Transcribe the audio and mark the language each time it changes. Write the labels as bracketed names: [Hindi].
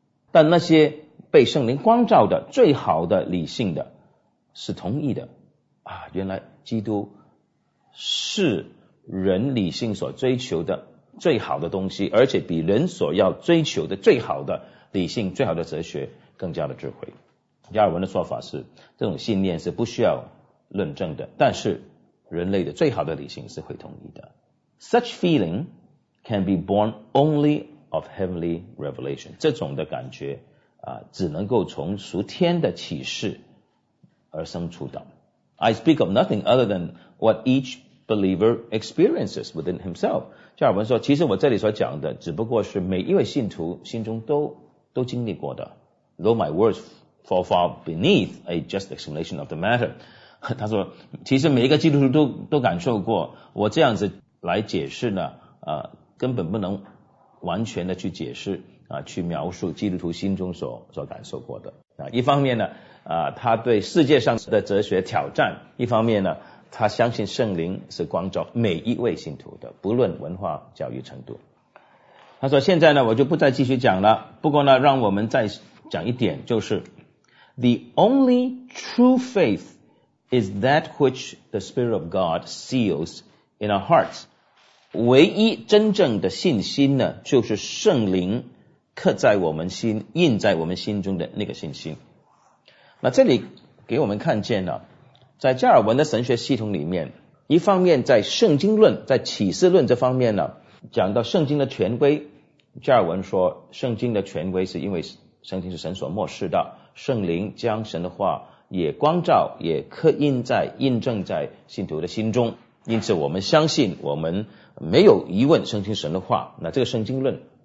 [Chinese] 但那些被圣灵光照的最好的理性的是同意的啊，原来基督是人理性所追求的最好的东西，而且比人所要追求的最好的理性、最好的哲学更加的智慧。加尔文的说法是，这种信念是不需要论证的，但是人类的最好的理性是会同意的。 [English] Such feeling can be born only of heavenly revelation. [Chinese] 这种的感觉只能够从属天的启示而生出的。 [English] I speak of nothing other than what each believer experiences within himself. [Chinese] 加尔文说，其实我这里所讲的只不过是每一位信徒心中都经历过的。 [English] Though my words fall far beneath a just explanation of the matter. [Chinese] 他说，其实每一个基督徒都感受过，我这样子来解释呢，根本不能完全的去解释去描述基督徒心中所感受过的一方面呢他对世界上的哲学挑战，一方面呢他相信圣灵是光照每一位信徒的，不论文化教育程度。他说，现在呢我就不再继续讲了，不过呢让我们再讲一点，就是 [English] The only true faith is that which the Spirit of God seals in our hearts. [Chinese] 唯一真正的信心呢，就是圣灵刻在我们心、印在我们心中的那个信心。那这里给我们看见了，在加尔文的神学系统里面，一方面在圣经论、在启示论这方面呢，讲到圣经的权威，加尔文说圣经的权威是因为圣经是神所默示的，圣灵将神的话也光照、也刻印在、印证在信徒的心中，因此我们相信，我们没有疑问圣经神的话，那这个圣经论。